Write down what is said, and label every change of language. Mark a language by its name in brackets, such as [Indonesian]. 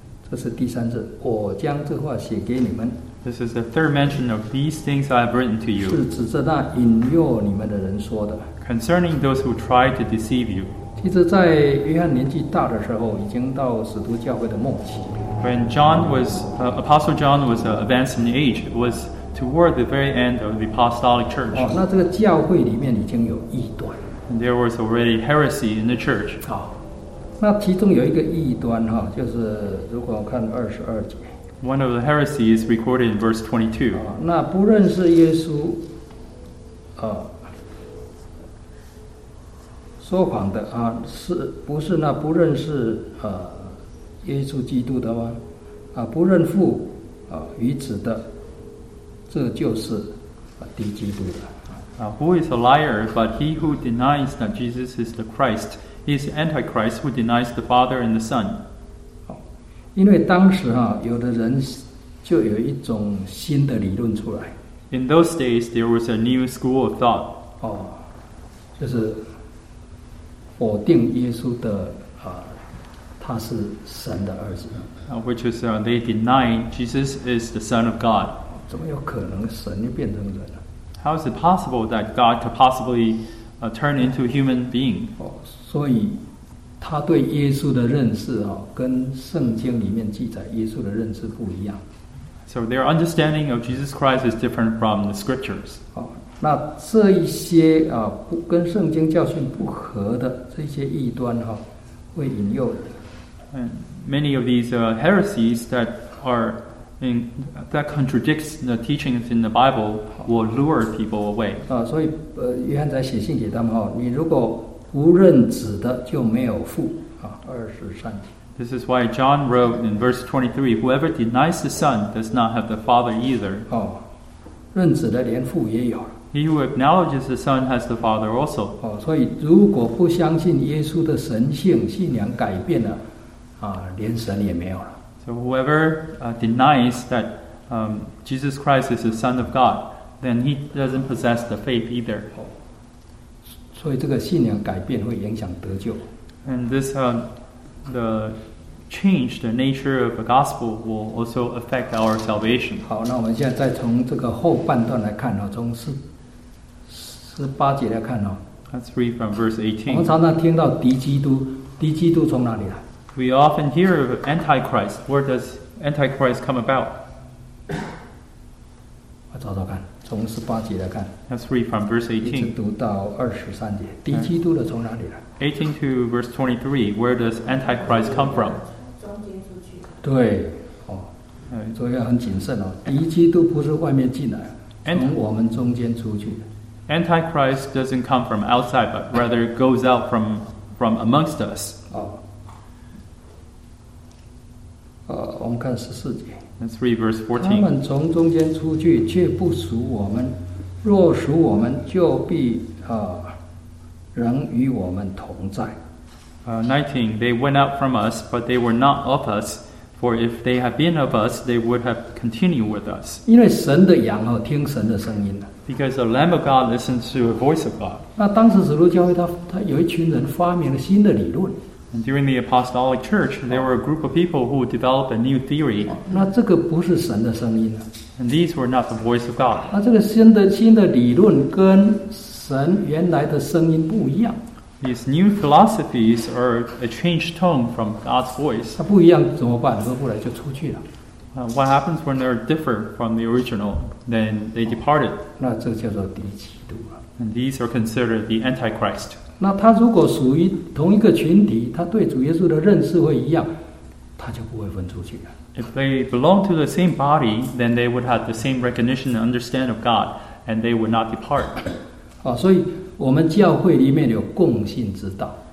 [Chinese] 这是第三次，我将这话写给你们。 [English] This is the third mention of these things I have written to you. [Chinese] 是指着那引诱你们的人说的。 [English] Concerning those who try to deceive you. [Chinese] 其实在约翰年纪大的时候，已经到使徒教会的末期。 [English] When John was, Apostle John was advanced in age, it was toward the very end of the apostolic church. [Chinese] 哦，那这个教会里面已经有异端。 [English] And there was already heresy in the church. [Chinese] 好，那其中有一个异端哈，就是如果看二十二节。 [English] One of the heresies recorded in verse 22. [Chinese] 那不认识耶稣，说谎的啊，是不是那不认识耶稣基督的吗？啊，不认父啊与子的，这就是敌基督的。 [English] Who is a liar? But he who denies that Jesus is the Christ, he is antichrist who denies the Father and the Son. [Chinese] 因为当时哈、啊，有的人就有一种新的理论出来。 [English] In those days, there was a new school of thought. [Chinese] 就是否定耶稣的。他是神的儿子。 [English] Which is they deny Jesus is the Son of God. [Chinese] 怎么有可能神就变成人了？ [English] How is it possible that God could possibly turn into a human being? [Chinese] 所以他对耶稣的认识啊，跟圣经里面记载耶稣的认识不一样。 [English] So their understanding of Jesus Christ is different from the scriptures. [Chinese] 那这一些啊，不跟圣经教训不合的这些异端哈、啊，会引诱人。 [English] And many of these heresies that are in, that contradicts the teachings in the Bible will lure people away. [Chinese] 所以约翰在写信给他们哈，你如果不认子的就没有父啊，二十三节。 [English] This is why John wrote in verse 23, whoever denies the Son does not have the Father either. [Chinese] 认子的连父也有了。 [English] He who acknowledges the Son has the Father also. [Chinese] 所以如果不相信耶稣的神性，信仰改变了。连神也没有了。 [English] So whoever denies that Jesus Christ is the Son of God, then he doesn't possess the faith either. [Chinese] 所以这个信仰改变会影响得救。 [English] And this the change, the nature of the gospel will also affect our salvation. [Chinese] 好，那我们现在再从这个后半段来看，从18节来看。 [English] Let's read from verse 18. [Chinese] 我们常常听到敌基督，敌基督从哪里来？ [English] We often hear of Antichrist. Where does Antichrist come about? [Chinese] 我找找看，从十八节来看。 [English] Let's read from verse 18. [Chinese] 一直读到二十三节，敌基督的从哪里来？ [English] 18 to verse 23. Where does Antichrist come from? [Chinese] 中间出去。对，所以要很谨慎哦。敌基督不是外面进来，从我们中间出去。 [English] Antichrist doesn't come from outside, but rather goes out from amongst us. [Chinese] 我们看十四节。 [English] Let's read verse 14. [Chinese] 他们从中间出去，却不属我们。若属我们，就必仍与我们同在。 [English] 19. They went out from us, but they were not of us. For if they had been of us, they would have continued with us. [Chinese] 因为神的羊哦，听神的声音了。 [English] Because the Lamb of God listens to the voice of God. [Chinese] 那当时使徒教会他有一群人发明了新的理论。 [English] And during the apostolic church, there were a group of people who developed a new theory. [Chinese] 那这个不是神的声音啊。 [English] And these were not the voice of God. [Chinese] 那这个新的理论跟神原来的声音不一样。 [English] These new philosophies are a changed tone from God's voice. [Chinese] 它不一样怎么办？合不来就出去了。 [English] What happens when they're different from the original? Then they departed. [Chinese] 那这叫做敌基督啊。 [English] And these are considered the Antichrist. [Chinese] 那他如果属于同一个群体，他对主耶稣的认识会一样，他就不会分出去了。 [English] If they belong to the same body, then they would have the same recognition and understanding of God, and they would not depart. [Chinese] 啊，所以我们教会里面有共信之道。